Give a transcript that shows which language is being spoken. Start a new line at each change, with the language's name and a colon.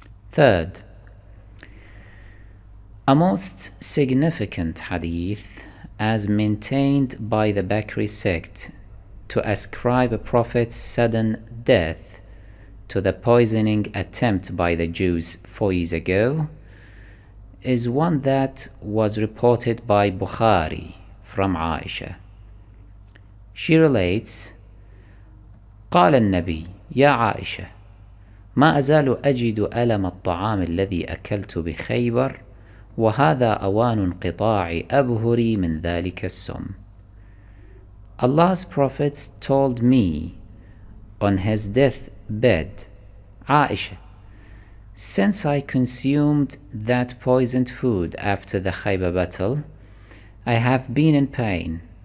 English: Third, a most significant hadith as maintained by the Bakri sect to ascribe a Prophet's sudden death to the poisoning attempt by the Jews 4 years ago is one that was reported by Bukhari from Aisha. She relates,
Arabic: قال النبي يا عائشة ما أزال أجد ألم الطعام الذي أكلت بخيبر وهذا أوان انقطاع أبهري من ذلك السم.
English: Allah's Prophet told me on his death bed, Aisha, since I consumed that poisoned food after the Khaybar battle, I have been in pain.